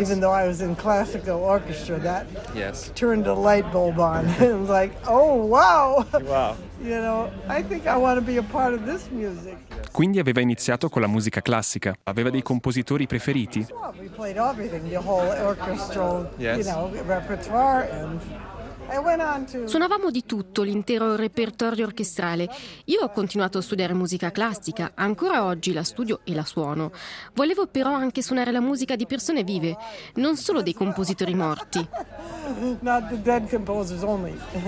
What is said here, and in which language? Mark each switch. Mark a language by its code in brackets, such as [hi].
[en] Even though I was in classical orchestra, that yes. Turned a light bulb on. It was like, oh wow! Wow! You know, I think I want to be a part of this music. [it] Quindi aveva iniziato con la musica classica. Aveva dei compositori preferiti? [en] Well, we played everything, the whole orchestral, yes. You know, repertoire and. [it] Suonavamo di tutto, l'intero repertorio orchestrale. Io ho continuato a studiare musica classica, ancora oggi la studio e la suono. Volevo però anche suonare la musica di persone vive, non solo dei compositori morti. [en] Not the dead composers only.